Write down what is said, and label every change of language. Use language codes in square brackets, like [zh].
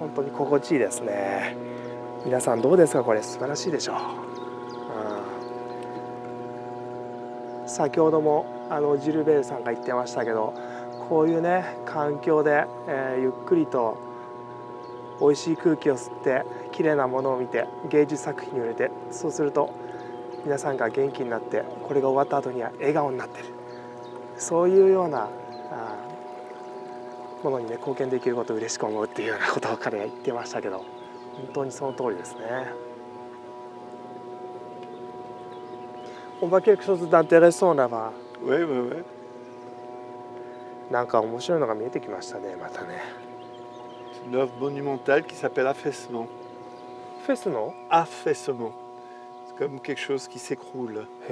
[ja] 本当に心地いいですね。皆さんどうですか、これ素晴らしいでしょう、うん、先ほどもあのジルベールさんが言ってましたけど、こういうね環境で、ゆっくりと美味しい空気を吸って綺麗なものを見て芸術作品に触れて、そうすると皆さんが元気になって、これが終わった後には笑顔になってる、そういうようなものにね貢献できることを嬉しく思うっていうようなことを彼は言ってましたけど、本当にその通りですね。 [fr] On va quelque chose d'intéressant là-bas. Oui, oui, oui. [ja] なんか面白いのが見えてきましたね、またね。 [fr] Une œuvre monumentale qui s'appelle affaissement. Affaissement? Affaissement. C'est comme quelque chose qui s'écroule.